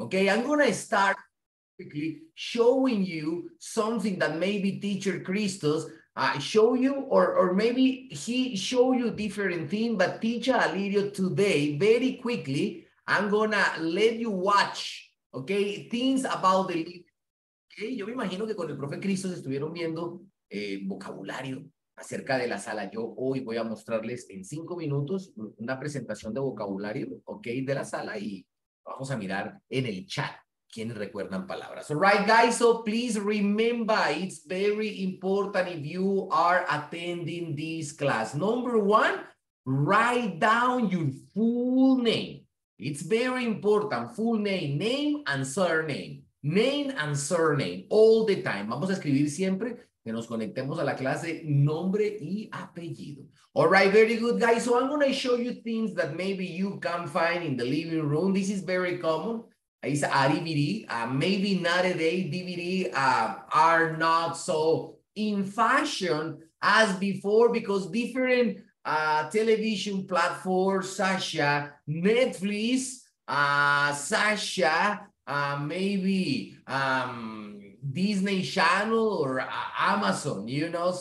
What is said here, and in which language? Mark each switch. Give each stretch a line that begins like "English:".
English: Okay, I'm gonna start quickly showing you something that maybe teacher Christos show you, or maybe he show you different thing, but teacher Alirio today, very quickly, I'm gonna let you watch, okay, things about the living room.
Spanish: Okay, yo me imagino que con el profe Cristo se estuvieron viendo vocabulario acerca de la sala. Yo hoy voy a mostrarles en 5 minutos una presentación de vocabulario, okay, de la sala, y vamos a mirar en el chat quienes recuerdan palabras.
English: All right, guys, so please remember, it's very important if you are attending this class. Number one, write down your full name. It's very important, full name, name and surname. Name and surname, all the time.
Spanish: Vamos a escribir siempre que nos conectemos a la clase, nombre y apellido.
English: All right, very good, guys. So I'm going to show you things that maybe you can find in the living room. This is very common. It's a DVD. Maybe nowadays DVD are not so in fashion as before, because different television platforms, Sasha, Netflix, Sasha, maybe Disney Channel or Amazon, you know.